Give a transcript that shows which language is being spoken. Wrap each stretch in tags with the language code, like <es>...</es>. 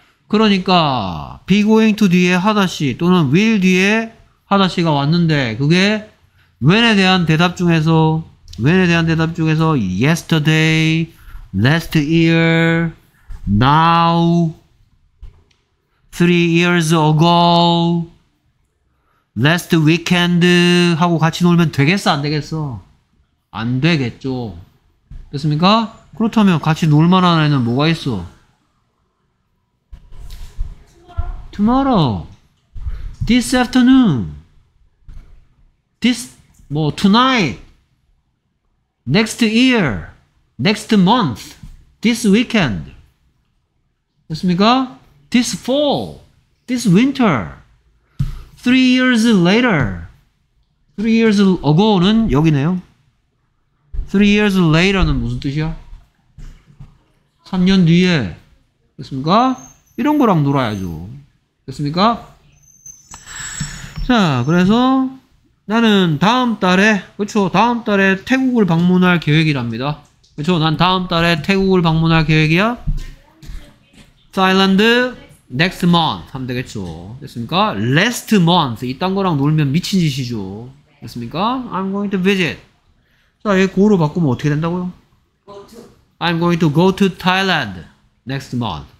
<ko>그러니까 be going to 뒤에 하다시 또는 will 뒤에 하다시가 왔는데 그게 when에 대한 대답 중에서</ko> <en>yesterday, last year, now, 3 years ago, last weekend</en> <ko>하고 같이 놀면 되겠어 안 되겠어? 안 되겠죠. 됐습니까? 그렇다면 같이 놀만한 애는 뭐가 있어?</ko> <en>tomorrow, this afternoon, this 뭐 tonight, next year, next month, this weekend.</en> <ko>됐습니까?</ko> <en>This fall, this winter, 3 years later, 3 years ago는</en> <ko>여기네요.</ko> <en>3 years later</en> <ko>는 무슨 뜻이야? 3년 뒤에. 됐습니까? 이런 거랑 놀아야죠. 됐습니까? 자, 그래서 나는 다음 달에, 그쵸? 다음 달에 태국을 방문할 계획이랍니다. 그쵸? 난 다음 달에 태국을 방문할 계획이야?</ko> <en>Thailand next month</en> <ko>하면 되겠죠. 됐습니까?</ko> <en>Last month</en> <ko>이딴 거랑 놀면 미친 짓이죠. 됐습니까?</ko> <en>I'm going to visit.</en> <ko>자, 얘 go로 바꾸면 어떻게 된다고요?</ko> <en>I'm going to go to Thailand next month.</en>